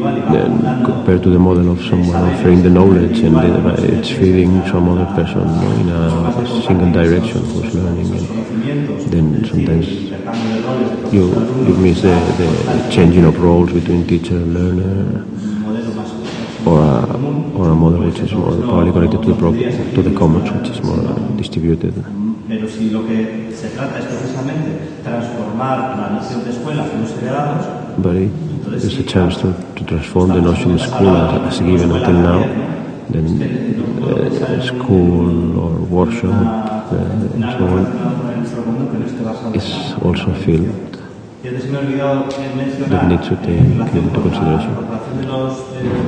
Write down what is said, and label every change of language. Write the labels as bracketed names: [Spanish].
[English] Then compared to the model of someone offering the knowledge and it's feeding some other person in a single direction who's learning, and then sometimes you miss the changing of roles between teacher and learner, or a model which is more probably connected to the commons, which is more distributed. [Spanish] Pero si lo que se trata es precisamente transformar la noción de escuela que nos queda dados. [English] Buddy, there's a chance to transform the notion of school as given until now. Then school or workshop and so on is also a field that needs to take into consideration.